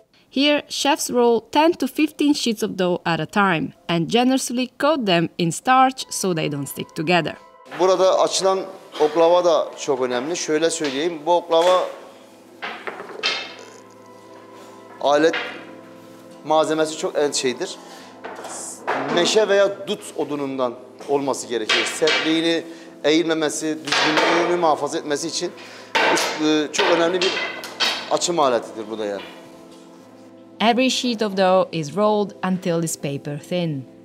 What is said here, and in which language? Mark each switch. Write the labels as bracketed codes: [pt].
[en] Here, chefs roll 10 to 15 sheets of dough at a time and generously coat them in starch so they don't stick together. [tr] Burada açılan oklava da çok önemli. Şöyle söyleyeyim, bu oklava alet malzemesi çok en şeydir. Meşe veya dut odunundan olması gerekir. Sertliğini, eğilmemesi, düzgünlüğünü muhafaza etmesi için çok önemli bir açım aletidir bu da yani. [en] Every sheet of dough is rolled until it's paper thin.